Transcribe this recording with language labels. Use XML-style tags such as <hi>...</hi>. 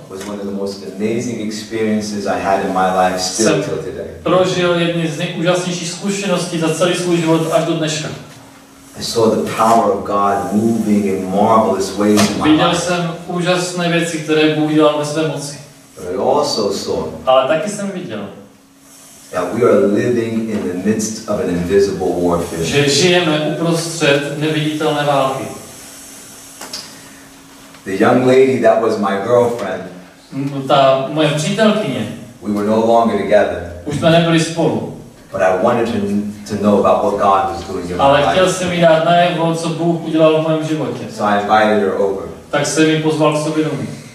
<en>Was one of the most amazing experiences I had in my life still till today.</en> <cs>Prožil jedny z nejúžasnějších zkušeností za celý svůj život až do dneška.</cs> <en>I saw the power of God moving in marvelous ways in my life.</en> <cs>Viděl jsem úžasné věci, které Bůh dělal ve své moci.</cs> <en>But I also saw.</en> <cs>Ale taky jsem viděl.</cs> <en>that we are living in the midst of an invisible warfare.</en> <cs>Že žijeme uprostřed neviditelné války.</cs> <en>The young lady that was my girlfriend.</en> <cs>Ta moje přítelkyně.</cs> <en>We were no longer together.</en> <cs>Už jsme nebyli spolu.</cs> <en>But I wanted to know about what God was doing in my life.</en> <cs>Ale chtěl jsem jí dát najevo, co Bůh udělal v mém životě.</cs> <en>So I invited her over.</en> <cs>Tak jsem ji pozval k sobě domů.</cs>